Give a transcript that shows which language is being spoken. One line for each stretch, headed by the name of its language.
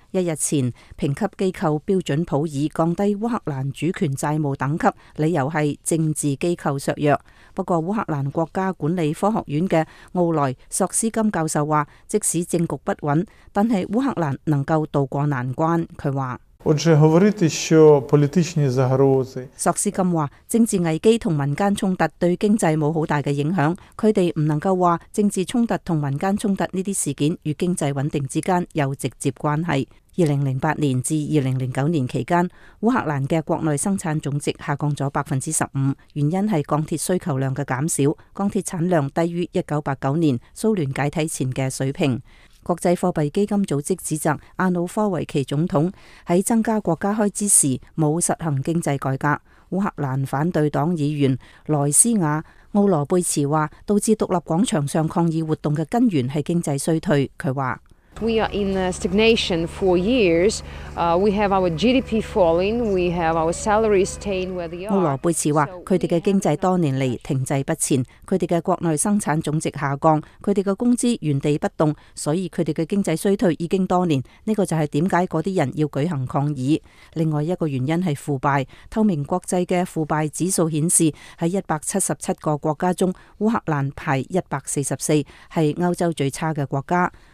Chinese: 一日前，评级机构标准普尔降低乌克兰主权债务等级，理由是政治机构削弱。不过乌克兰国家管理科学院的奥莱索斯金教授说，即使政局不稳，但是乌克兰能够渡过难关。他说
Ukrainian: Отже, говорити, що політичні загрози.
Chinese: 索斯金说，政治危机和民间冲突对经济没有很大的影响，他们不能够说政治冲突和民间冲突这些事件与经济稳定之间有直接关系。 2008年至2009年期间，乌克兰的国内生产总值下降了 15%， 原因是钢铁需求量的减少，钢铁产量低于1989年苏联解体前的水平。国际货币基金组织指责阿努科维奇总统在增加国家开支时没有实行经济改革。乌克兰反对党议员莱斯雅奥罗贝茨说，导致独立广场上抗议活动的根源是经济衰退。他说
English: We are in stagnation for years. We have our GDP falling. We have our salaries staying where they are.
Chinese: 奥罗贝茨说，他们的经济多年来停滞不前，他们的国内生产总值下降，他们的工资原地不动，所以他们的经济衰退已经多年。这个就是为什么那些人要举行抗议。另外一个原因是腐败。透明国际的腐败指数显示，在177个国家中，乌克兰排144，是欧洲最差的国家。